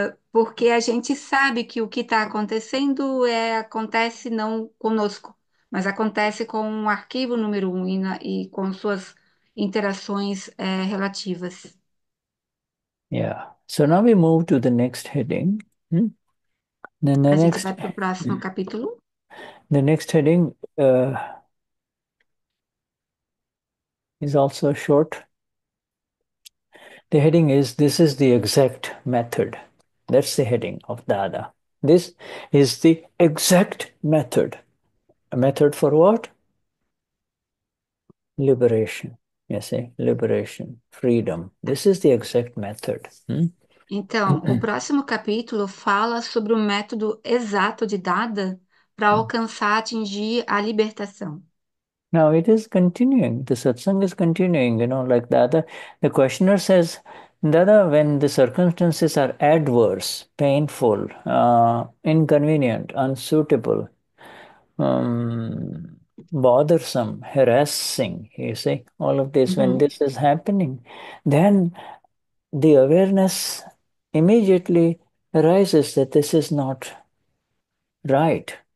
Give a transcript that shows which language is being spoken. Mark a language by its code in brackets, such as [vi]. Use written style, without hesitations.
[pt] Porque a gente sabe que o que está acontecendo acontece não conosco, mas acontece com o arquivo número um e com suas interações relativas. [en] Yeah, so now we move to the next heading. Then [pt] A gente vai para o próximo capítulo. [en] The next heading is also short. The heading is, this is the exact method. That's the heading of Dada. This is the exact method. A method for what? Liberation. You see, liberation, freedom. This is the exact method. [pt] Então, o próximo capítulo fala sobre o método exato de Dada para alcançar, atingir a libertação. [en] Now it is continuing. The satsang is continuing, you know, like Dada. The questioner says, Dada, when the circumstances are adverse, painful, inconvenient, unsuitable, bothersome, harassing, you see, all of this, when this is happening, then the awareness immediately arises that this is not right.